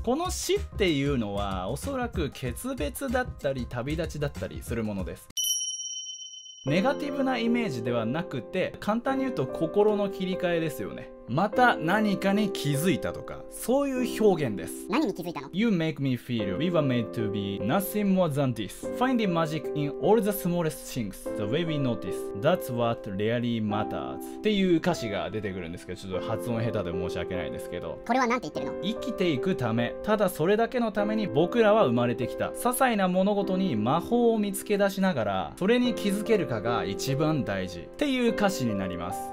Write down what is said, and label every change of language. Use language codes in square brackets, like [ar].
[ja] この死っていうのはおそらく決別だったり旅立ちだったりするものです。ネガティブなイメージではなくて、簡単に言うと心の切り替えですよね。また何かに気づいたとか、そういう表現です。何に気づいたの？ [en] You make me feel we were made to be nothing more than this. Finding magic in all the smallest things, the way we notice, that's what really matters. [ja] っていう歌詞が出てくるんですけど、ちょっと発音下手で申し訳ないですけど、これは何て言ってるの？生きていくため、ただそれだけのために僕らは生まれてきた。些細な物事に魔法を見つけ出しながらそれに気づけるかが一番大事っていう歌詞になります。